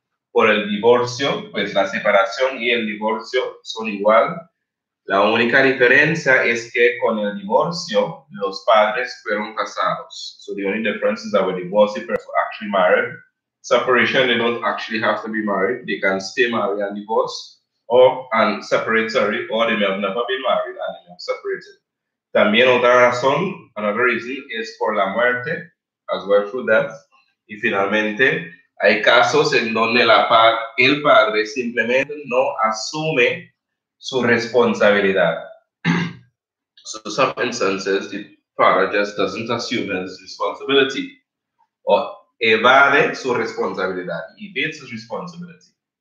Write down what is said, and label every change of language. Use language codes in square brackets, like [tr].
[es] Por el divorcio, pues la separación y el divorcio son igual. La única diferencia es que con el divorcio, los padres fueron casados. [en] So the only difference is that with divorce, parents were actually married. Separation, they don't actually have to be married. They can stay married and divorce, or they may have never been married and they may have separated. [es] También otra razón, [en] another reason, [es] es por la muerte, [en] as well through death. [es] Y finalmente, hay casos en donde el padre simplemente no asume su responsabilidad. [en] So some instances, the father just doesn't assume his responsibility or evade [es] su responsabilidad, [en] evades his responsibility.